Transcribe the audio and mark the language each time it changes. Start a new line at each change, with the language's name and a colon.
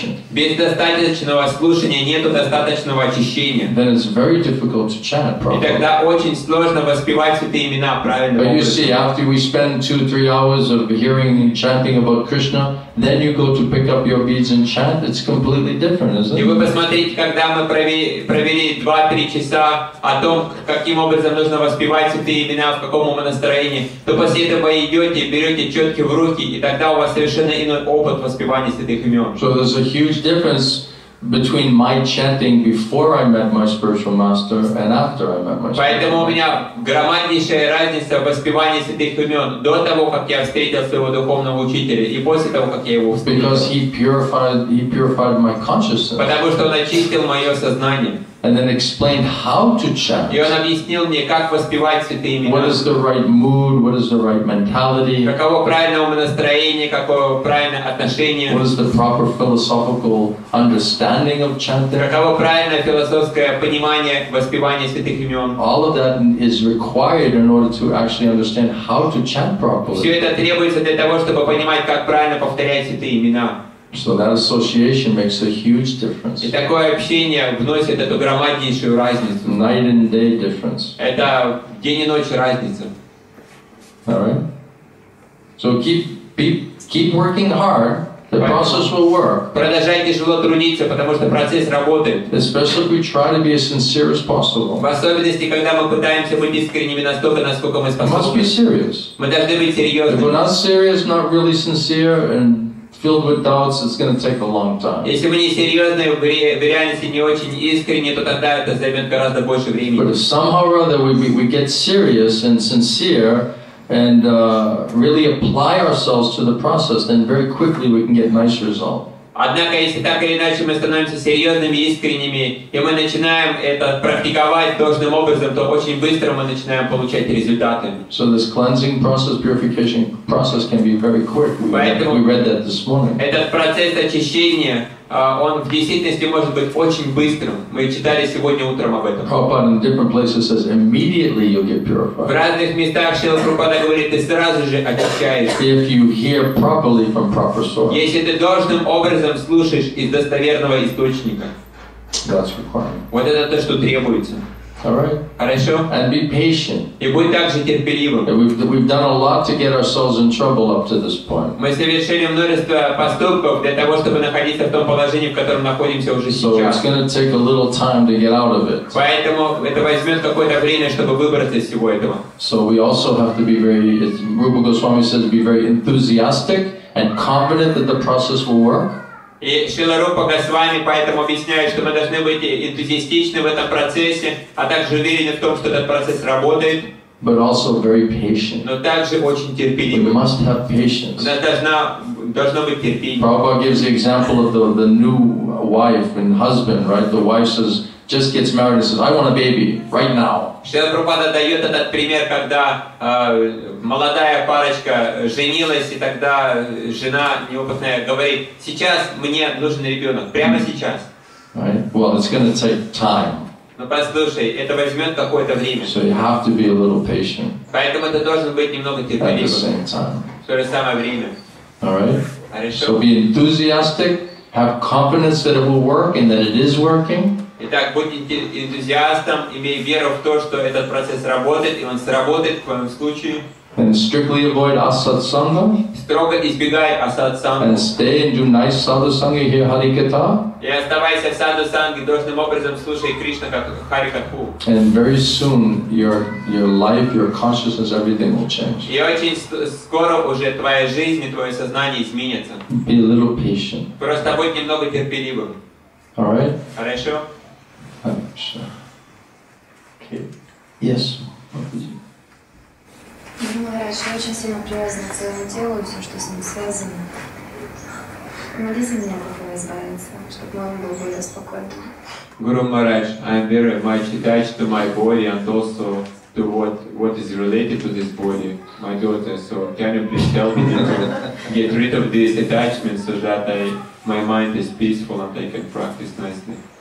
Russian: Без достаточного слушания нету достаточного очищения.
English: Then it's very difficult to chant properly.
Russian: И тогда очень сложно воспевать святые имена правильно.
English: But you see, after we spend 2-3 hours of hearing chanting about Krishna, then you go to pick up your beads and chant, it's completely different, isn't it?
Russian: И вы посмотрите, когда мы провели 2-3 часа о том, каким образом нужно воспевать святые имена, в каком ум настроении, то после этого вы идете, берете четки в руки, и тогда у вас совершенно иной опыт воспевания святых имен.
English: So there's a huge difference between my chanting before I met my spiritual master and after I met my spiritual master.
Russian: Поэтому у меня громаднейшая разница в воспевании святых имен до того, как я встретил своего духовного учителя и после того, как я его встретил.
English: Because he purified my consciousness.
Russian: Потому что он очистил мое сознание.
English: And then explained how to chant.
Russian: И он объяснил мне, как воспевать святые имена.
English: What is the right mood? What is the right mentality?
Russian: Каково правильное умонастроение? Каково правильное отношение?
English: What is the proper philosophical understanding of chanting?
Russian: Каково правильное философское понимание воспевания святых имен?
English: All of that is required in order to actually understand how to chant properly.
Russian: Все это требуется для того, чтобы понимать, как правильно повторять святые имена.
English: So that association makes a huge difference.
Russian: И такое общение вносит эту громаднейшую разницу.
English: Night and day difference.
Russian: Это день и ночь разница.
English: All right. So keep working hard. The process will work.
Russian: Продолжайте тяжело трудиться, потому что процесс работает.
English: Especially if we try to be as sincere as possible.
Russian: В особенности, когда мы пытаемся быть искренними настолько, насколько мы способны.
English: Must be serious.
Russian: Мы должны быть серьезными.
English: If we're not serious, not really sincere, and filled with doubts, it's going to take a long time.
Russian: Если вы не серьезны в реальности, не очень искренне, то тогда это займет гораздо больше времени.
English: But if somehow or other we get serious and sincere and really apply ourselves to the process, then very quickly we can get nice results.
Russian: Однако, если так или иначе мы становимся серьезными, искренними, и мы начинаем это практиковать должным образом, то очень быстро мы начинаем получать результаты.
English: So this cleansing process, purification process can be very quick. We read that this morning.
Russian: Этот процесс очищения, он в действительности может быть очень быстрым. Мы читали сегодня утром об этом.
English: Prabhupada in different places says, immediately you'll get purified.
Russian: В разных местах Шрила Прабхупада говорит, ты сразу же очищаешься.
English: If you hear properly from proper source.
Russian: Если ты должным образом слушаешь из достоверного источника.
English: That's required.
Russian: Вот это то, что требуется.
English: All right. And be patient.
Russian: И будь также терпеливым.
English: We've done a lot to get ourselves in trouble up to this point.
Russian: Мы совершили множество поступков для того, чтобы находиться в том положении, в котором находимся уже сейчас.
English: So it's going to take a little time to get out of it.
Russian: Поэтому это возьмет какое-то время, чтобы выбраться из всего этого.
English: So we also have to be very, as Rupa Goswami says, be very enthusiastic and confident that the process will work.
Russian: И Шрила Рупа Госвами поэтому объясняет, что мы должны быть энтузиастичны в этом процессе, а также уверены в том, что этот процесс работает.
English: But also very patient.
Russian: Но также очень терпеливы.
English: We must have patience.
Russian: Она должна быть терпеливой.
English: Prabhupada gives the example of the new wife and husband, right? The wife says, just gets married and says, I want a baby right now.
Russian: Шрила Прабхупада дает этот пример, когда молодая парочка женилась, и тогда жена неопытная говорит, сейчас мне нужен ребенок, прямо сейчас.
English: Right. Well, it's going to take time.
Russian: Но послушай, это возьмет какое-то время.
English: So you have to be a little patient.
Russian: Поэтому ты должен быть немного терпеливым.
English: At the same time.
Russian: В то же самое время.
English: All right. So be enthusiastic, have confidence that it will work and that it is working.
Russian: Итак, будьте энтузиастом, имей веру в то, что этот процесс работает, и он сработает в твоем случае.
English: And strictly avoid asatsanga.
Russian: Строго избегай асатсанга.
English: And stay and do nice sadhusanga, hear harikatha.
Russian: И оставайся в садхусанге, должным образом слушай Кришна харикатху.
English: And very soon your life, your consciousness, everything will change.
Russian: И очень скоро уже твоя жизнь и твое сознание изменится.
English: Be a little patient.
Russian: Просто будь немного терпеливым.
English: All right.
Russian: Хорошо.
English: Okay. Yes.
Russian: Ну, Махарадж, я очень сильно привязана к своему телу и все, что с ним связано. Молись меня, чтобы избавиться, чтобы он был более спокойным.
English: Guru Maharaj, I am very much attached to my body and also to what is related to this body, my daughter. So can you please help me to get rid of this attachment so that my mind is peaceful and I can practice nicely?